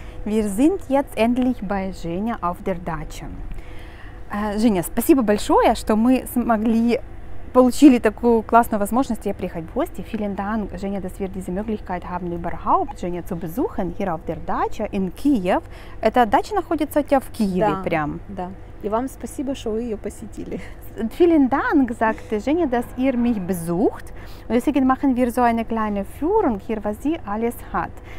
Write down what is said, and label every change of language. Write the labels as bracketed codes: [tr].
[de] Wir sind jetzt endlich bei Женя auf der Dacia. [ru] Женя, спасибо большое, что мы смогли получили такую классную возможность [de] hier [ru] приехать в гости. [de] Vielen Dank, Женя, dass wir diese Möglichkeit haben, überhaupt Женя zu besuchen hier auf der Dacia in Kiew. [ru] Эта дача находится у тебя в Киеве, да, прям. Да. И вам спасибо, что вы ее посетили. [de] Vielen Dank, sagte Женя, dass ihr mich besucht. Und deswegen machen wir so eine kleine Führung hier, was sie alles hat.